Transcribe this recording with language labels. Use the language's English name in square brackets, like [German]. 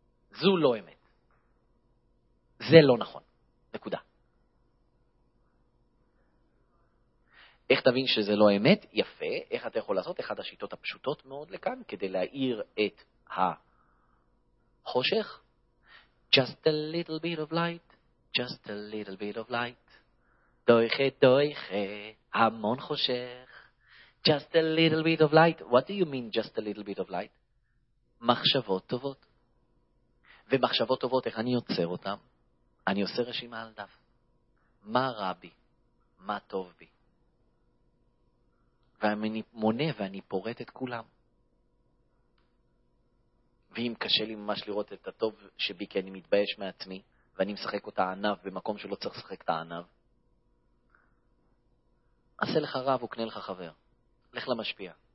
[Hebrew] זו לא אמת. זה לא נכון. נקודה. איך תבין שזה לא אמת? יפה. איך אתה יכול לעשות? אחת השיטות הפשוטות מאוד לכאן, כדי להאיר את החושך. [English] Just a little bit of light. Just a little bit of light. [Hebrew] דויכה, דויכה, המון חושך. [English] Just a little bit of light. What do you mean just a little bit of light? [Hebrew] מחשבות טובות. ומחשבות טובות, איך אני יוצר אותן? אני עושה רשימה על דף. מה רע בי? מה טוב בי? ואני מונה ואני פורט את כולם. ואם קשה לי ממש לראות את הטוב שבי, כי אני מתבייש מעצמי, ואני משחק אותה ענב במקום שלא צריך לשחק את הענב, עשה לך רב וקנה לך חבר. לך למשפיע.